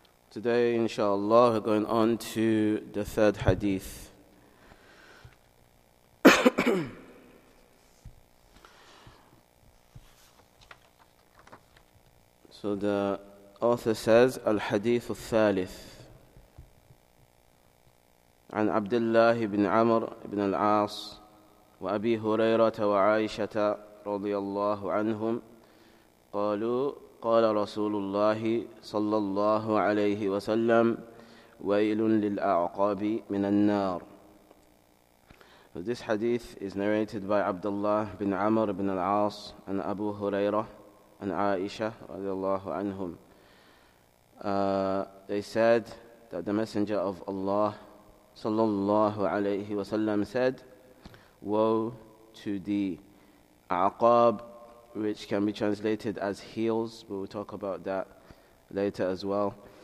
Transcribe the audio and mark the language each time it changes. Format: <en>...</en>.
<en>Today, inshallah, we're going on to the third hadith. So the author says, Al-Hadith al-Thalith.</en> <ar>عن عبد الله بن عمر بن العاص وأبي هريرة وعائشة رضي الله عنهم قالوا قال رسول الله صلى الله عليه وسلم ويل للأعقاب من النار.</ar> <en>So this hadith is narrated by عبد الله بن عمر بن العاص and أبو هريرة and عائشة</en> <ar>رضي الله عنهم.</ar> <en>They said that the messenger of Allah sallallahu alayhi wa sallam said, woe to the aqab, which can be translated as heels. We will talk about that later as well.</en>